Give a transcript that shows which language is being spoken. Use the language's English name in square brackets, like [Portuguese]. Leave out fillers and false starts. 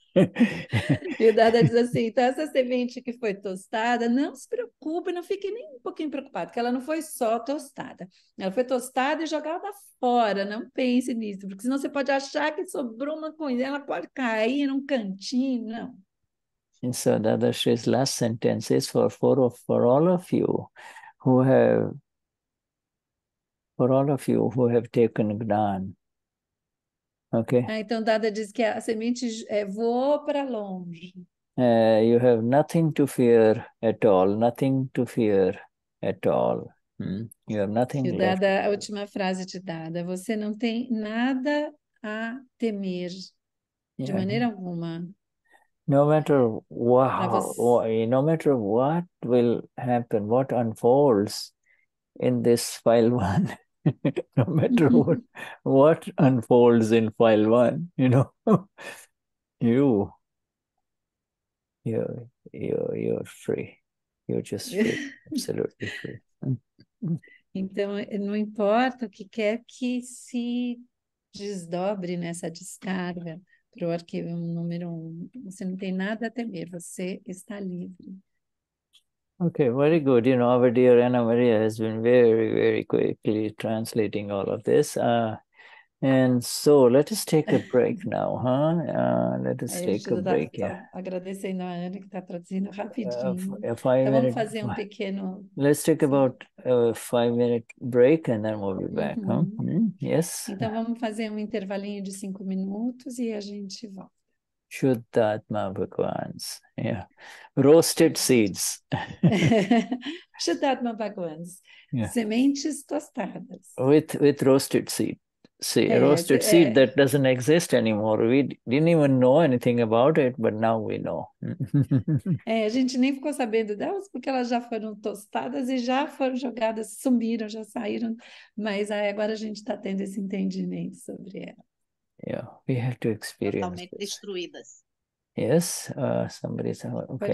[Portuguese] E o Dada diz assim, então essa semente que foi tostada, não se preocupe, não fique nem um pouquinho preocupado, que ela não foi só tostada. Ela foi tostada e jogada fora, não pense nisso, porque senão você pode achar que sobrou uma coisa, ela pode cair num cantinho, não. [English] And so Dada, she's last sentence is for all of you. For all of you who have taken Gnan. Okay. [Portuguese] Ah, então Dada diz que a semente voou para longe. [English] You have nothing to fear at all. Nothing to fear at all. Hmm? You have nothing to fear. [Portuguese] A última frase de Dada. Você não tem nada a temer. [English] Yeah. [Portuguese] De maneira alguma. [English] No matter no matter what will happen, what unfolds in this file one, no matter what unfolds in file one, you know, you're free. You're just free, absolutely free. [Portuguese] Então, não importa o que quer que se desdobre nessa descarga. Para o arquivo número 1, você não tem nada a temer, você está livre. [English] Okay, very good. You know, our dear Ana Maria has been very, very quickly translating all of this. And so, let us take a break now, huh? Let us take a break, yeah. [Portuguese] Agradecendo a Ana que está traduzindo rapidinho. Vamos fazer pequeno... [English] Let's take about a 5-minute break and then we'll be back, huh? Mm-hmm. Yes? [Portuguese] Então, vamos fazer intervalinho de 5 minutos e a gente volta. [English] Shuddha atma bhagwans, yeah. Roasted seeds. [Portuguese] Shuddha atma bhagwans. [English] Yeah. [Portuguese] Sementes tostadas. [English] With roasted seed. See, roasted seed that doesn't exist anymore. We didn't even know anything about it, but now we know. [Portuguese] a gente nem ficou sabendo delas porque elas já foram tostadas e já foram jogadas, sumiram, já saíram. Mas aí agora a gente está tendo esse entendimento sobre elas. [English] Yeah, we have to experience. [Portuguese] Totalmente [English] this. [Portuguese] Destruídas. [English] Yes, somebody's okay.